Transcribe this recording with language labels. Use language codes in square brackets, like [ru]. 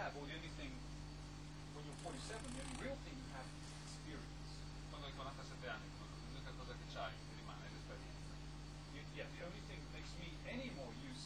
[en] When you're 47, the only real thing you have is experience. [it] Quando hai 47 anni, l'unica cosa che c'hai rimane l'esperienza. [en] Yeah, the only thing that makes me any more